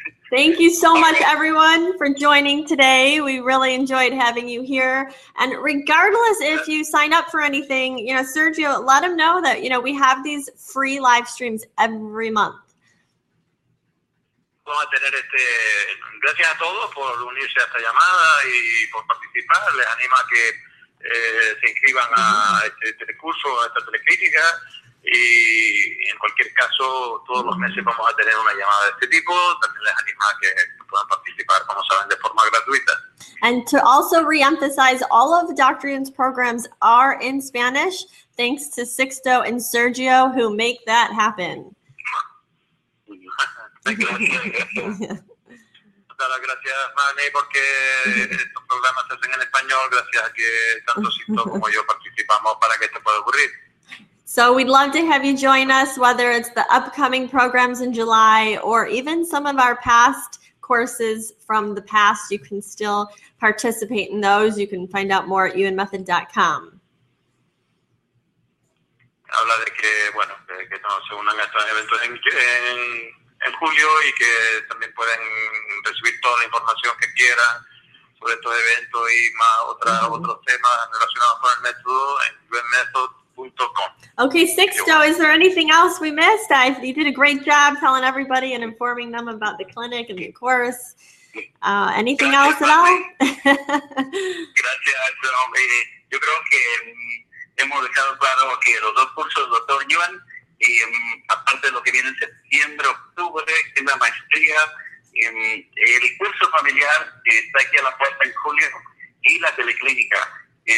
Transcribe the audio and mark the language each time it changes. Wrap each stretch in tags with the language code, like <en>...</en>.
<en>Thank you so much, everyone, for joining today. We really enjoyed having you here. And regardless if you sign up for anything, you know, Sergio, let them know that, you know, we have these free live streams every month.</en> <es>Vamos a tener gracias a todos por unirse a esta llamada y por participar. Les animo a que se inscriban a este curso, a esta teleclínica, y en cualquier caso todos los meses vamos a tener una llamada de este tipo. También les animo a que puedan participar, como saben, de forma gratuita.</es> <en>And to also reemphasize, all of Dr. Yun's programs are in Spanish, thanks to Sixto and Sergio, who make that happen.</en> <es>Gracias, Manny, porque estos programas se hacen en español, gracias a que tanto Sixto como yo participamos para que esto pueda ocurrir.</es> <en>So we'd love to have you join us, whether it's the upcoming programs in July or even some of our past courses from the past. You can still participate in those. You can find out more at unmethod.com.</en> <es>Habla de que, bueno, que no se unan a estos eventos en julio y que también pueden recibir toda la información que quieran sobre estos eventos y más otros temas relacionados con el método en unmethod.com.</es> <en>Okay, Sixto, is there anything else we missed? You did a great job telling everybody and informing them about the clinic and the course. Anything</en> <es>gracias,</es> <en>else at all?</en> <es>Gracias, yo creo que hemos dejado claro que los dos cursos, doctor Yuan, y aparte de lo que viene en septiembre, octubre, en la maestría, el curso familiar está aquí a la puerta en julio, y la teleclínica.</es>